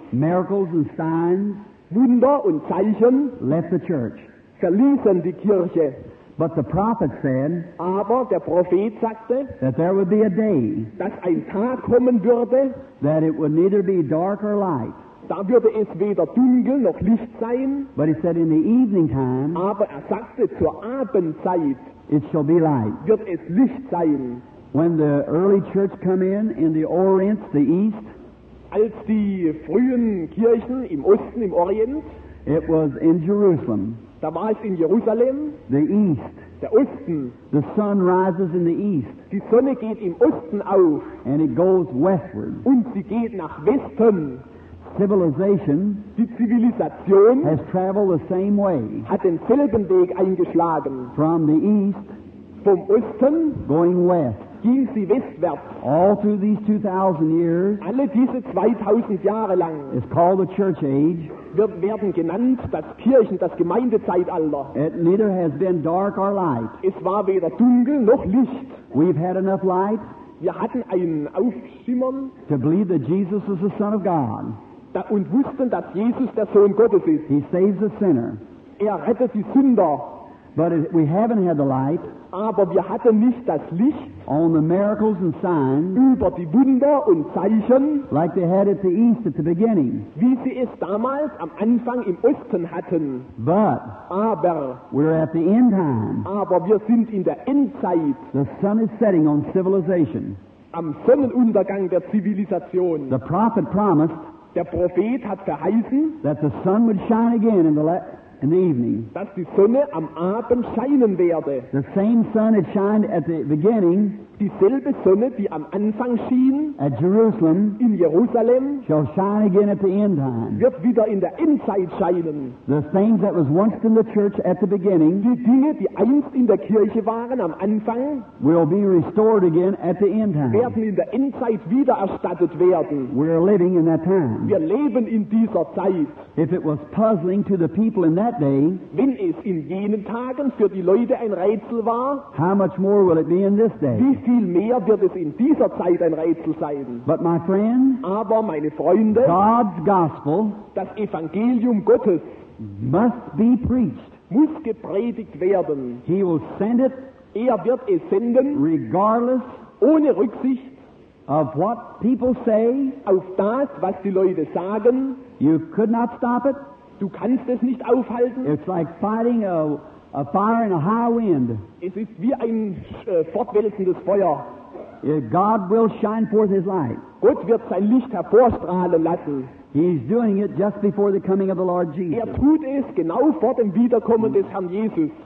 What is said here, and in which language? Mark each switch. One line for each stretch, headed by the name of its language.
English: Miracles and signs,
German: Wunder und Zeichen,
English: left the church.
German: Verließen die Kirche.
English: But the prophet said,
German: aber der Prophet sagte,
English: that there would be a day,
German: dass ein Tag kommen würde,
English: that it would neither be dark or light.
German: Da würde es weder dunkel noch Licht sein.
English: But he said in the evening time,
German: aber er sagte zur Abendzeit,
English: it shall be light.
German: Wird es Licht sein.
English: When the early church come in the Orient, the East,
German: als die frühen Kirchen im Osten, im Orient,
English: it was in Jerusalem.
German: Da war es in Jerusalem.
English: The East.
German: Der Osten.
English: The sun rises in the East.
German: Die Sonne geht im Osten auf.
English: And it goes westward.
German: Und sie geht nach Westen.
English: Civilization,
German: die Zivilisation,
English: has traveled the same way,
German: hat denselben Weg eingeschlagen,
English: from the east,
German: vom Osten,
English: going west,
German: ging sie westwärts,
English: all through these 2,000 years,
German: alle diese 2,000 Jahre lang,
English: is called the church age,
German: wird werden genannt das Kirchen, das Gemeindezeitalter.
English: It neither has been dark or light,
German: es war weder dunkel noch Licht.
English: We've had enough light.
German: Wir hatten ein Aufschimmern.
English: To believe that Jesus is the Son of God.
German: Und wussten, dass Jesus der Sohn Gottes ist.
English: He saves the sinner.
German: Er rettet die Sünder.
English: But we haven't had the light.
German: Aber wir hatten nicht das Licht.
English: On the miracles and signs.
German: Über die Wunder und Zeichen.
English: Like they had at the east at the beginning.
German: Wie sie es damals am Anfang im Osten hatten.
English: But.
German: Aber.
English: We're at the end time.
German: Aber wir sind in der Endzeit.
English: The sun is setting on civilization.
German: Am Sonnenuntergang der Zivilisation.
English: The prophet promised.
German: Der Prophet hat verheißen,
English: that the sun would shine again in the evening.
German: Dass die Sonne am Abend scheinen werde.
English: The same sun that shined at the beginning,
German: dieselbe Sonne, die am Anfang schien,
English: at Jerusalem,
German: in Jerusalem,
English: shall shine again at the end time.
German: Wird wieder in der Endzeit scheinen.
English: The things that was once in the church at the beginning,
German: die Dinge, die einst in der Kirche waren am Anfang,
English: will be restored again at the end time.
German: Werden in der Endzeit wieder erstattet werden.
English: We're living in that time.
German: Wir leben in dieser Zeit.
English: If it was puzzling to the people in that day,
German: wenn es in jenen Tagen für die Leute ein Rätsel war,
English: how much more will it be in this day?
German: Wie viel mehr wird es in dieser Zeit ein Rätsel sein?
English: But my friend,
German: aber meine Freunde,
English: God's gospel,
German: das Evangelium Gottes,
English: must be preached.
German: Muss gepredigt werden.
English: He will send it,
German: er wird es senden,
English: regardless,
German: ohne Rücksicht,
English: of what people say,
German: auf das, was die Leute sagen.
English: You could not stop it.
German: Du kannst es nicht aufhalten.
English: It's like fighting a fire in a high wind.
German: Es ist wie ein fortwälzendes Feuer.
English: God will shine forth his light.
German: Gott wird sein Licht hervorstrahlen lassen.
English: He's doing it just before the coming of the Lord Jesus.
German: Er tut es genau vor dem Wiederkommen des Herrn Jesus.